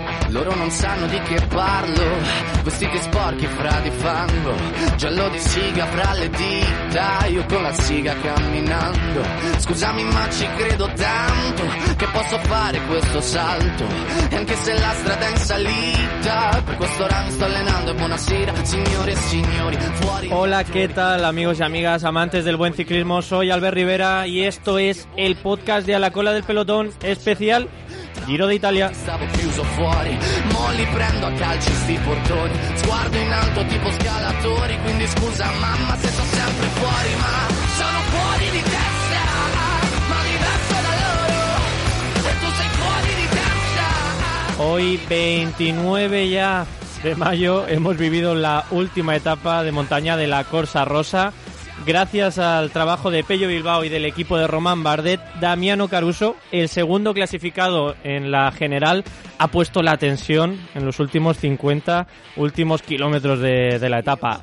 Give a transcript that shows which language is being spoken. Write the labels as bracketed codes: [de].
[it] Loro non sanno di che parlo, vestiti sporchi fra di fango, giallo di siga fra le dita, io con la siga camminando. Scusami ma ci credo tanto, che posso fare questo salto, e anche se la strada è in salita, per questo ora mi sto allenando. Buonasera signore e signori, fuori. [es] Hola, ¿qué tal amigos y amigas amantes del buen ciclismo? Soy Albert Rivera y esto es el podcast de A la cola del pelotón especial Giro d'Italia. [it] Stavo chiuso fuori, mo li prendo a calci sti portoni, sguardo in alto tipo scalatori, quindi scusa mamma se sono sempre fuori, ma sono fuori di testa, ma diverso da loro, e tu sei fuori di testa. [es] Hoy 29 ya de mayo hemos vivido la última etapa de montaña de la Corsa Rosa. Gracias al trabajo de Pello Bilbao y del equipo de Román Bardet, Damiano Caruso, el segundo clasificado en la general, ha puesto la tensión en los últimos 50 últimos kilómetros de la etapa.